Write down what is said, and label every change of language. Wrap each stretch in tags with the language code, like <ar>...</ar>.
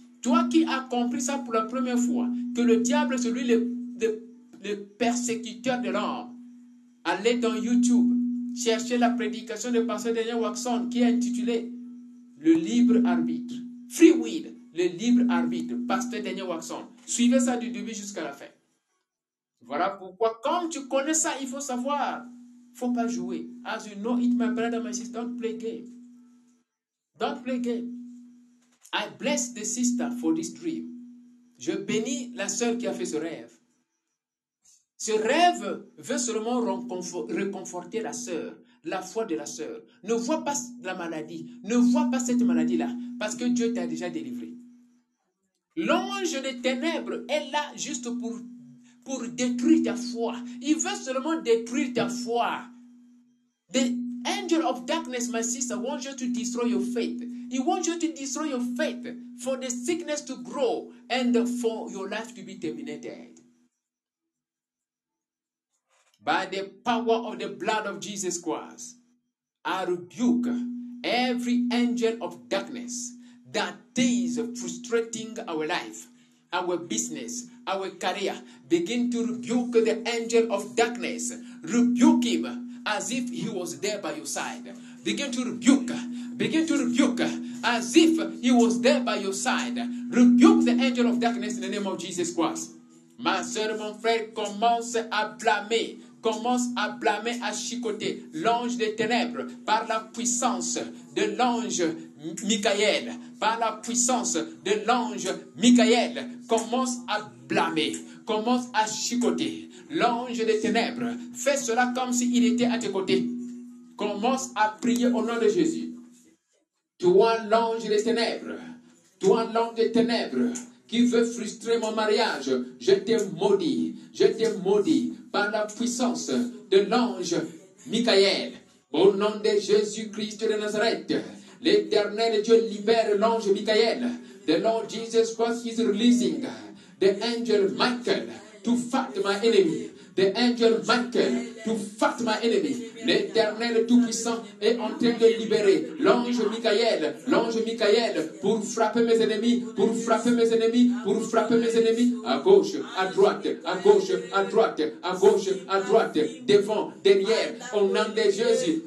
<fr>Toi qui as compris ça pour la première fois, que le diable est celui le persécuteur de l'homme, allez dans YouTube, cherchez la prédication de Pasteur Daniel Watson qui est intitulée Le libre arbitre. Free will, le libre arbitre, Pasteur Daniel Watson. Suivez ça du début jusqu'à la fin. Voilà pourquoi, quand tu connais ça, il faut savoir. Il ne faut pas jouer.</fr> <en>As you know it, my brother, my sister, don't play game. Don't play game. I bless the sister for this dream.</en> <fr>Je bénis la sœur qui a fait ce rêve. Ce rêve veut seulement réconforter la sœur, la foi de la sœur. Ne vois pas la maladie. Ne vois pas cette maladie-là, parce que Dieu t'a déjà délivré. L'ange des ténèbres est là juste pour détruire ta foi. Il veut seulement détruire ta foi.</fr> <en>The angel of darkness, my sister, wants you to destroy your faith. He wants you to destroy your faith for the sickness to grow and for your life to be terminated. By the power of the blood of Jesus Christ, I rebuke every angel of darkness that is frustrating our life, our business, our career. Begin to rebuke the angel of darkness. Rebuke him as if he was there by your side. Begin to rebuke as if he was there by your side. Rebuke the angel of darkness in the name of Jesus Christ.</en> <fr>Ma soeur, mon frère, commence à blâmer. Commence à blâmer, à chicoter l'ange des ténèbres par la puissance de l'ange Michael. Par la puissance de l'ange Michael, commence à blâmer, commence à chicoter l'ange des ténèbres. Fais cela comme s'il était à tes côtés. Commence à prier au nom de Jésus. Toi, l'ange des ténèbres, toi, l'ange des ténèbres, qui veut frustrer mon mariage, je t'ai maudit par la puissance de l'ange Michael. Au nom de Jésus-Christ de Nazareth, l'éternel Dieu libère l'ange Michael.</fr> <en>The Lord Jesus Christ is releasing the angel Michael to fight my enemy. The angel Michael to fight my enemy.</en> <fr>L'éternel Tout-Puissant est en train de libérer l'ange Michael pour frapper mes ennemis, pour frapper mes ennemis, pour frapper mes ennemis, à gauche, à droite, à gauche, à droite, à gauche, à droite, devant, derrière, au nom de Jésus.</fr>